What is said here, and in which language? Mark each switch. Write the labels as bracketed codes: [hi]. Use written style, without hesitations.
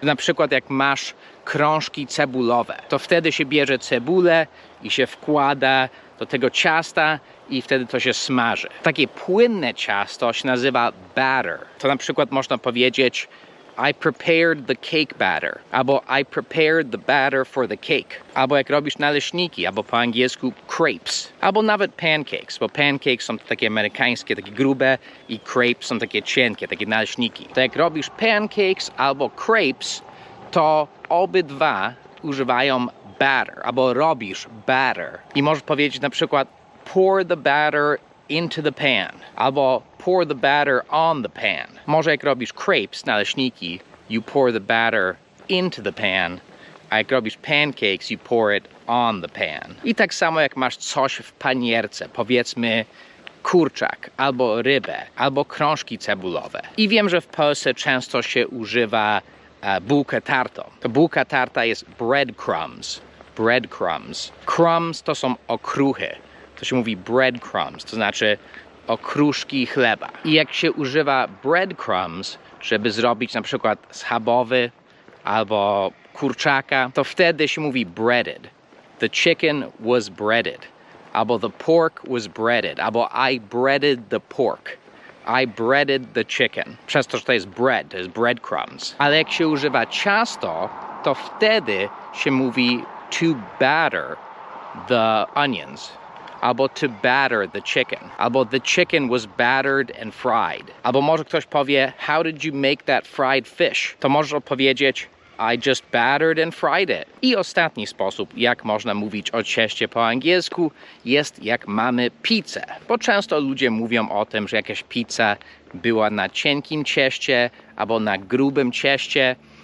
[pl] Na przykład jak masz krążki cebulowe, to wtedy się bierze cebulę i się wkłada do tego ciasta i wtedy to się smaży. Takie płynne ciasto się nazywa batter. To na przykład można powiedzieć [en] I prepared the cake batter. [pl] Albo [en] I prepared the batter for the cake. [pl] Albo jak robisz naleśniki, albo po angielsku crepes. Albo nawet pancakes, bo pancakes są takie amerykańskie, takie grube i crepes są takie cienkie, takie naleśniki. To jak robisz pancakes albo crepes, to obydwa używają batter, albo robisz batter. I możesz powiedzieć na przykład [en] pour the batter into the pan. [pl] Albo [en] pour the batter on the pan. [pl] Może jak robisz crepes, naleśniki, [en] you pour the batter into the pan. [pl] A jak robisz pancakes, [en] you pour it on the pan. [pl] I tak samo jak masz coś w panierce, powiedzmy kurczak, albo rybę, albo krążki cebulowe. I wiem, że w Polsce często się używa bułkę tartą. To bułka tarta jest breadcrumbs. Breadcrumbs. Crumbs to są okruchy. To się mówi breadcrumbs, to znaczy okruszki chleba. I jak się używa breadcrumbs, żeby zrobić na przykład schabowy albo kurczaka, to wtedy się mówi breaded. [en] The chicken was breaded. [pl] Albo [en] the pork was breaded. [pl] Albo [en] I breaded the pork. I breaded the chicken. [pl] Przez to, że to jest bread, to jest breadcrumbs. Ale jak się używa ciasto, to wtedy się mówi [en] to batter the onions. [pl] Albo [en] to batter the chicken. [pl] Albo [en] the chicken was battered and fried. [pl] Albo może ktoś powie, [en] how did you make that fried fish? [pl] To możesz odpowiedzieć, [en] I just battered and fried it. [pl] I ostatni sposób, jak można mówić o cieście po angielsku, jest jak mamy pizzę. Bo często ludzie mówią o tym, że jakaś pizza była na cienkim cieście, albo na grubym cieście.